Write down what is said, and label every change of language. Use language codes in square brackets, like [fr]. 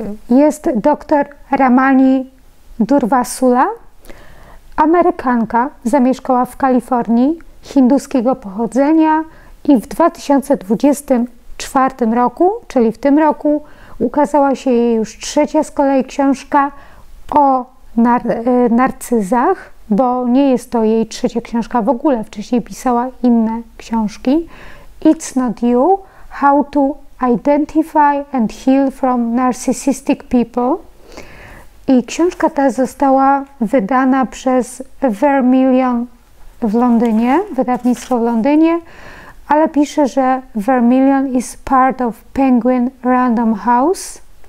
[pl] Jest dr Ramani Durvasula, Amerykanka, zamieszkała w Kalifornii, hinduskiego pochodzenia i w 2024 roku, czyli w tym roku, ukazała się jej już trzecia z kolei książka o narcyzach, bo nie jest to jej trzecia książka w ogóle, wcześniej pisała inne książki. [en] It's Not You, How to Identify and Heal from Narcissistic People. [pl] I książka ta została wydana przez Vermilion w Londynie, wydawnictwo w Londynie, ale pisze, że [en] Vermilion is part of Penguin Random House.